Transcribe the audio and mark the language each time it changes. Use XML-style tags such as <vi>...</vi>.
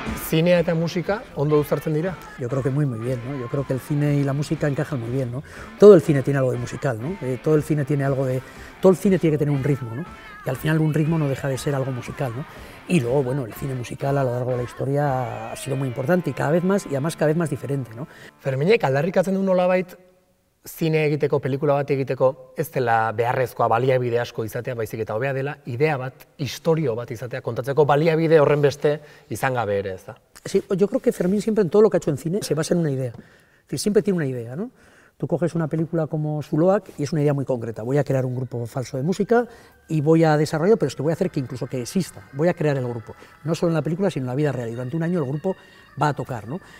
<eu>Cinea eta musika ondo uztartzen dira?</eu> <es>Yo creo que muy bien, ¿no? Yo creo que el cine y la música encajan muy bien, ¿no? Todo el cine tiene algo de musical, ¿no? Todo el cine tiene algo de... Todo el cine tiene que tener un ritmo, ¿no? Y al final un ritmo no deja de ser algo musical, ¿no? Y luego, bueno, el cine musical a lo largo de la historia ha sido muy importante y cada vez más, y además cada vez más diferente, ¿no?</es> <eu>Fermiñek, aldarrikatzen du nolabait zine egiteko, pelikula bat egiteko, ez dela beharrezkoa baliabide asko izatea, baizik eta hobea dela, idea bat, historio bat izatea, kontatzeko baliabide horren beste izan gabe ere, ez da?</eu> <es>Sí, yo creo que Fermín siempre en todo lo que ha hecho en cine se basa en una idea. Siempre tiene una idea, ¿no? Tú coges una película como Zuloak y es una idea muy concreta. Voy a crear un grupo falso de música y voy a desarrollar, pero es que voy a hacer que incluso que exista. Voy a crear el grupo. No solo en la película, sino en la vida real. Y durante un año el grupo va a tocar, ¿no?</es>